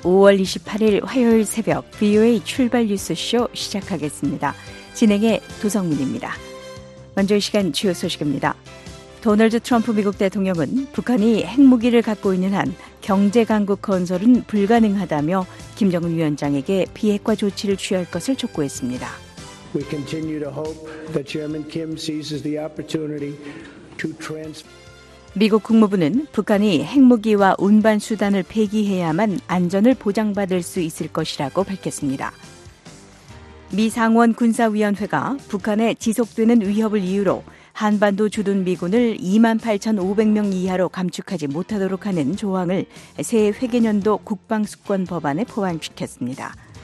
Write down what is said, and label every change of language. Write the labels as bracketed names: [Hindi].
[Korean] 5월 28일 화요일 새벽 VOA 출발 뉴스 쇼 시작하겠습니다. 진행의 도성민입니다. 먼저 이 시간 주요 소식입니다. 도널드 트럼프 미국 대통령은 북한이 핵무기를 갖고 있는 한 경제강국 건설은 불가능하다며 김정은 위원장에게 비핵화 조치를 취할 것을 촉구했습니다. [English] We continue to hope that Chairman Kim seizes the opportunity to transfer. [Korean] 미국 국무부는 북한이 핵무기와 운반수단을 폐기해야만 안전을 보장받을 수 있을 것이라고 밝혔습니다. 미 상원 군사위원회가 북한의 지속되는 위협을 이유로 한반도 주둔 미군을 28,500명 이하로 감축하지 못하도록 하는 조항을 새해 회계연도 국방수권 법안에 포함시켰습니다.